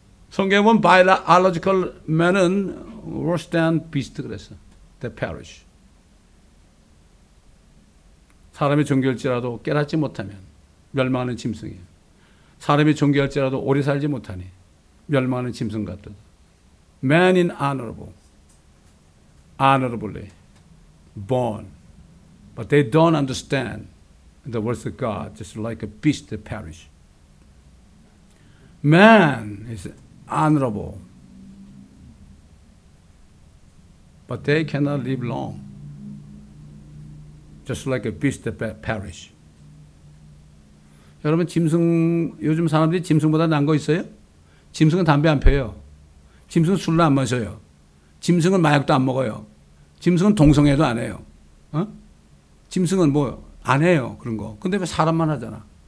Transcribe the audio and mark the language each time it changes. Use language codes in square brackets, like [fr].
[ko] 성경에 보면 [en] biological man은 worse than beast [ko] 그랬어. [en] They perish. [ko] 사람이 종교할지라도 깨닫지 못하면 멸망하는 짐승이에요. 사람이 종교할지라도 오래 살지 못하니 멸망하는 짐승 같듯. [en] Man in honorably born, but they don't understand the words of God, just like a beast that perish. Man is honorable, but they cannot live long, just like a beast that perish. [ko] 여러분, 짐승, 요즘 사람들이 짐승보다 난 거 있어요? 짐승은 담배 안 펴요. 짐승은 술을 안 마셔요. 짐승은 마약도 안 먹어요. 짐승은 동성애도 안 해요. 어? 짐승은 뭐 안 해요. 그런 거. 근데 왜 사람만 하잖아.